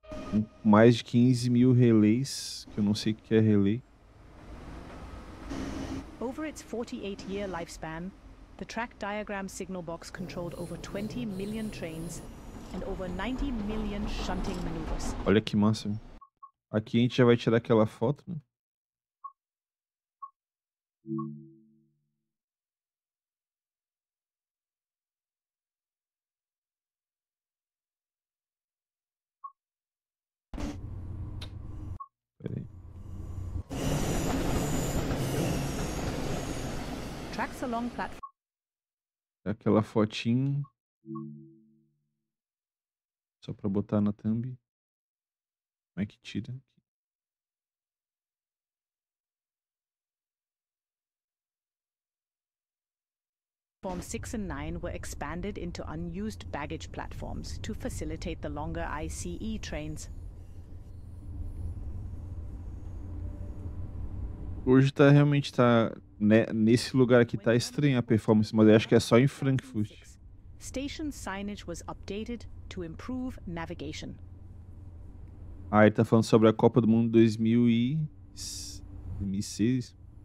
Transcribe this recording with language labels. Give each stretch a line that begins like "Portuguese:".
Portuguese: Com mais de 15 mil relays, que eu não sei o que é relay.
English: Over its 48-year lifespan, the track diagram signal box controlled over 20 million trains and over 90 million shunting maneuvers.
Portuguese: Olha que massa. Aqui a gente já vai tirar aquela foto, né?
English: Tracks along platform.
Portuguese: Aquela fotinho. Só para botar na thumb. Como é que tira?
English: Platform 6 and 9 were expanded into unused baggage platforms to facilitate the longer ICE trains.
Portuguese: Hoje tá realmente tá né, nesse lugar aqui tá estranha a performance, mas eu acho que é só em Frankfurt.
English: Station signage was updated to improve navigation.
Portuguese: Ah, ele tá falando sobre a Copa do Mundo 2006.